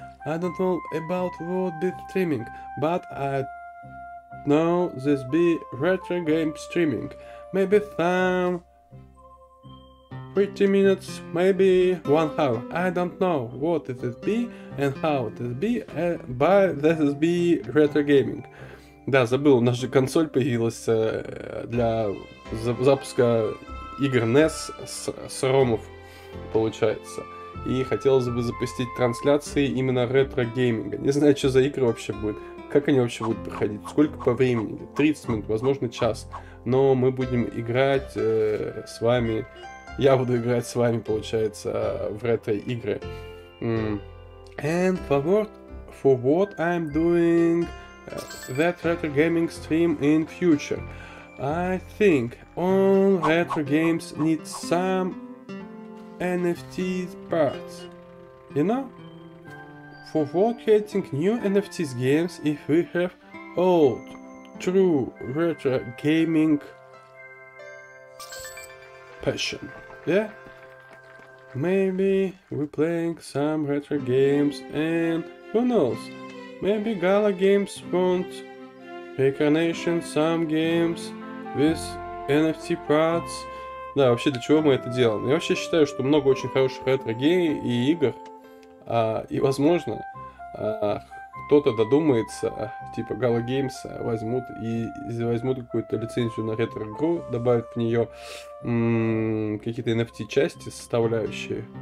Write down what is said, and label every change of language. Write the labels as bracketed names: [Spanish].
[English] I don't know about what be streaming, but I know this be retro game streaming. Maybe some 30 minutes, maybe 1 hour. I don't know what it is be and how it is be, but this is be retro gaming. [Russian] Да, забыл, у нас же консоль появилась для запуска игр NES с ромов, получается. И хотелось бы запустить трансляции именно ретро гейминга. Не знаю, что за игры вообще будет, как они вообще будут проходить, сколько по времени, 30 минут, возможно, час. Но мы будем играть с вами. Я буду играть с вами, получается, в ретро-игры. [English] And for what I'm doing that retro gaming stream in future. I think all retro games need some NFT parts. You know? For what creating new NFT games if we have old, true retro gaming passion? Yeah, maybe we're playing some retro games, and who knows, maybe Gala Games want reincarnation some games with NFT parts. [Russian] Да, вообще, для чего мы это делаем? Я вообще считаю, что много очень хороших ретро гей и игр, и, возможно, кто-то додумается, типа Gala Games возьмут какую-то лицензию на ретро-игру, добавят в нее какие-то NFT-части, составляющие.